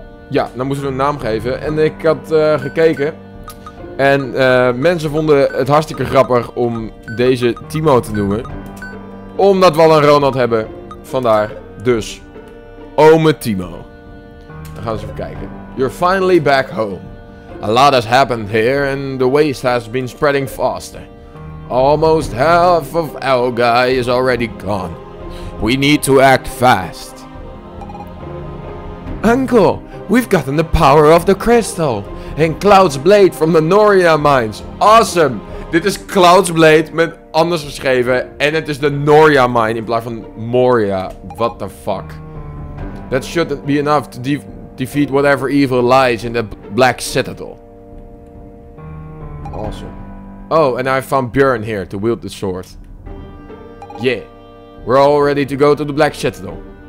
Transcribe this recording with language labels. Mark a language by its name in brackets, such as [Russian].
[Dutch] Ja, dan moesten we een naam geven. En ik had gekeken. En mensen vonden het hartstikke grappig om deze Timo te noemen. Omdat we al een Ronald hebben. Vandaar. Dus. Ome Timo. Dan gaan we eens even kijken. [English] You're finally back home. A lot has happened here and the waste has been spreading faster. Almost half of our guy is already gone. We need to act fast. Uncle! We've gotten the power of the crystal and Cloud's Blade from the Noria Mines. Awesome! [Dutch] Dit is Cloud's Blade met anders geschreven en het is de Noria Mine in plaats van Moria. [English] What the fuck? That shouldn't be enough to defeat whatever evil lies in the Black Citadel. Awesome. Oh, and I found Björn here to wield the sword. Yeah, we're all ready to go to the Black Citadel.